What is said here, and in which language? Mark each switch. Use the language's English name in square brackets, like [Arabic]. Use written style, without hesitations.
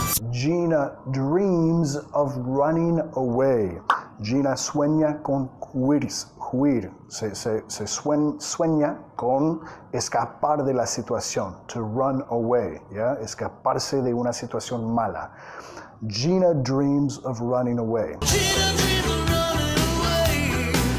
[English] Gina dreams of running away. [Spanish] Gina sueña con huir, se sueña con escapar de la situación, [English] to run away, [Spanish] ¿ya? Escaparse de una situación mala. [English] Gina dreams of running away. Gina dreams of running away.